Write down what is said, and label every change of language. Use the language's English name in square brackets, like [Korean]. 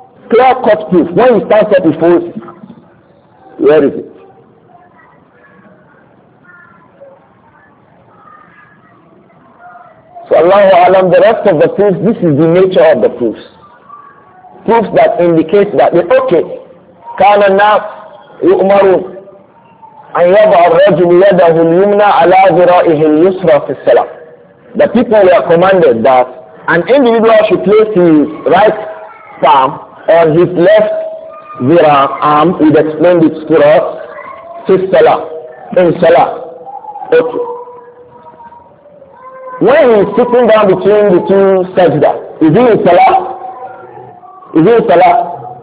[English] Clear cut proof. When you start up before, where is it? So Allahu alam, the rest of the proofs, this is the nature of the proofs. Proofs that indicate that, okay, [Arabic] كان الناس يؤمرون أن يضع الرجل يده اليمنى على ذرائه اليسرى في الصلاة. [English] The people were commanded that an individual should place his right palm on his left ذراع arm, we'd explain it to us, [Arabic] في الصلاة, [English] in صلاة. Okay. When he is sitting down between the two sajda, is he in صلاة? Is it salah?